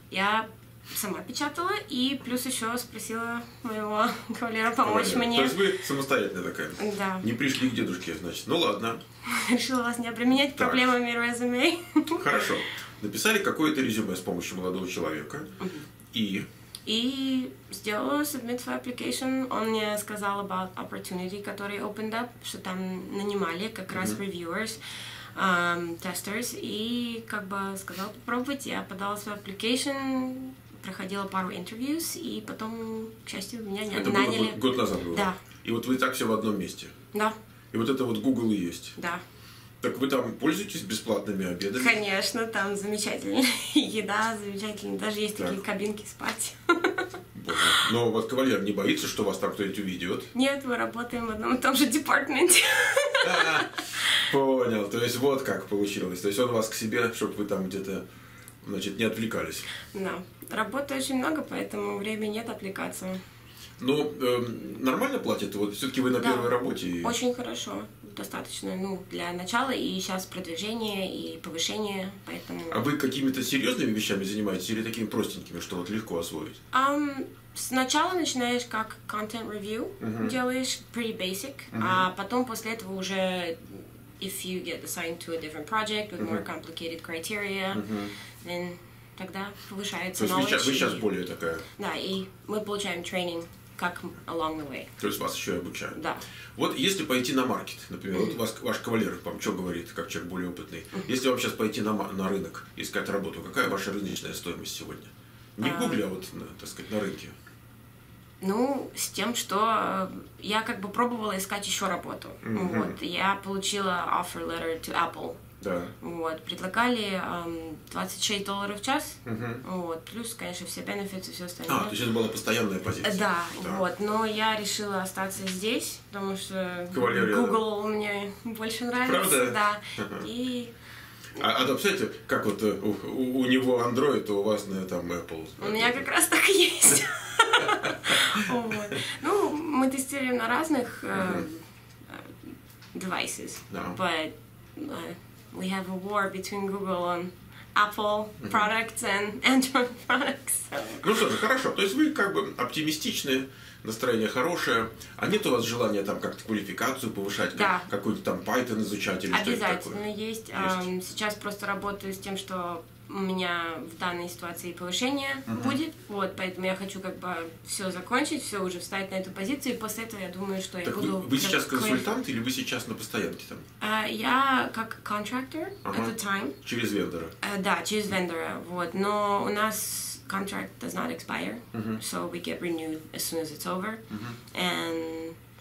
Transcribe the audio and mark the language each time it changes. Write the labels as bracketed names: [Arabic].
[Russian] Я сама печатала и плюс еще спросила моего кавалера помочь мне. То есть вы самостоятельная такая? Да. Не пришли к дедушке, значит. Ну ладно. Решила вас не обременять проблемами резюме. Хорошо. Написали какое-то резюме с помощью молодого человека И сделала [English] submit for application. [Russian] Он мне сказал [English] about opportunity, [Russian] который [English] opened up, [Russian] что там нанимали как раз [English] reviewers, testers, [Russian] и как бы сказал попробовать. Я подала свой application, проходила пару interviews, и потом, к счастью, меня не наняли. Это было год назад было? Да. И вот вы так все в одном месте? Да. И вот это вот Google и есть? Да. Так вы там пользуетесь бесплатными обедами? Конечно, там замечательная еда, замечательная. Даже есть такие кабинки спать. Боже. Но вот кавалер не боится, что вас там кто-нибудь увидит? Нет, мы работаем в одном и том же департаменте. Понял. То есть вот как получилось. То есть он вас к себе, чтобы вы там где-то, значит, не отвлекались. Да. Работы очень много, поэтому времени нет отвлекаться. Ну, нормально платят? Вот все-таки вы на первой работе. Очень хорошо. Достаточно, ну, для начала, и сейчас продвижение и повышение, поэтому... А вы какими-то серьезными вещами занимаетесь или такими простенькими, что вот легко освоить? Сначала начинаешь как [English] content review, [Russian] делаешь [English] pretty basic, [Russian] а потом после этого уже [English] if you get assigned to a different project with more complicated criteria, then [Russian] тогда повышается [English] knowledge. [Russian] То есть вы сейчас более такая... Да, и мы получаем training. Как [English] along the way. [Russian] То есть вас еще и обучают. Да. Вот если пойти на маркет, например, вот вас, ваш кавалер вам что говорит, как человек более опытный, если вам сейчас пойти на рынок искать работу, какая ваша рыночная стоимость сегодня? Не гугля, а вот, так сказать, на рынке. Ну, с тем, что я как бы пробовала искать еще работу. Вот, я получила [English] offer letter to Apple. [Russian] Да. Вот, предлагали $26 в час, вот, плюс, конечно, все benefits и все остальное. А, то есть это была постоянная позиция? Да, вот, но я решила остаться здесь, потому что Google мне больше нравится. Правда? Да. А то, кстати, как вот у него Android, а у вас, наверное, там Apple. У меня как раз так и есть. Ну, мы тестируем на разных [English] devices, but... We have a war between Google and Apple products and Android products. [Russian] Ну что же, хорошо. То есть вы как бы оптимистичны, настроение хорошее. А нет у вас желания там как-то квалификацию повышать? Да. Какой-то там Python изучать или что-то такое? Обязательно есть. Сейчас просто работаю с тем, что у меня в данной ситуации повышение будет. Вот, поэтому я хочу как бы все закончить, все уже встать на эту позицию. И после этого я думаю, что так я буду... Вы сейчас консультант или вы сейчас на постоянке там? Я как [English] contractor at the time. [Russian] Через вендора? Да, через вендора. Вот. Но у нас [English] contract does not expire. So we get renewed as soon as it's over. And...